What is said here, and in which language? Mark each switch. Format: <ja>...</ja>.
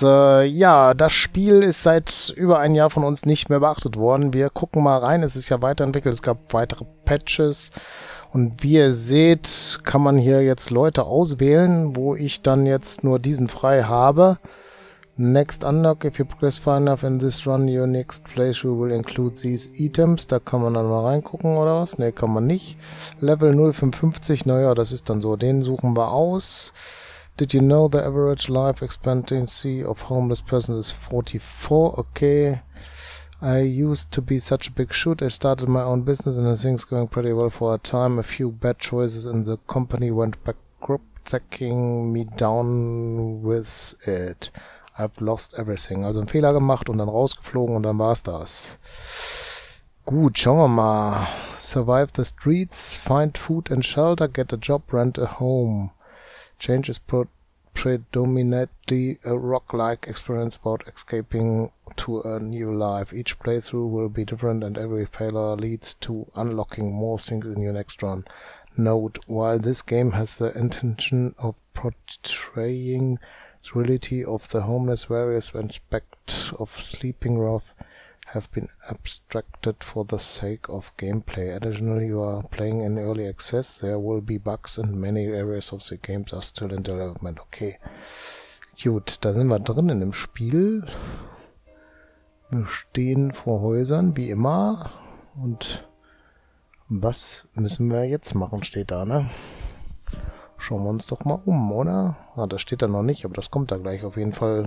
<de>Ja, das Spiel ist seit über ein Jahr von uns nicht mehr beachtet worden. Wir gucken mal rein. Es ist ja weiterentwickelt. Es gab weitere Patches. Und wie ihr seht, kann man hier jetzt Leute auswählen, wo ich dann jetzt nur diesen frei habe.</de> <en>Next unlock, if you progress far enough in this run, your next playthrough will include these items.</en> <de>Da kann man dann mal reingucken oder was? Ne, kann man nicht. Level 0,55, naja, das ist dann so. Den suchen wir aus.</de> <en>Did you know the average life expectancy of homeless persons is 44? Okay. I used to be such a big shoot. I started my own business and things going pretty well for a time. A few bad choices in the company went bankrupt, sacking me down with it. I've lost everything.</en> <de>Also einen Fehler gemacht und dann rausgeflogen und dann war's das. Gut, schauen wir mal.</de> <en>Survive the streets, find food and shelter, get a job, rent a home. Change is predominantly a rock-like experience about escaping to a new life. Each playthrough will be different and every failure leads to unlocking more things in your next run. Note, while this game has the intention of portraying reality of the homeless, various aspects of sleeping rough have been abstracted for the sake of gameplay. Additionally, you are playing in early access. There will be bugs and many areas of the games are still in development. Okay.</en> <de>Gut, da sind wir drin in dem Spiel. Wir stehen vor Häusern, wie immer. Und was müssen wir jetzt machen, steht da, ne? Schauen wir uns doch mal um, oder? Ah, das steht da noch nicht, aber das kommt da gleich auf jeden Fall.</de>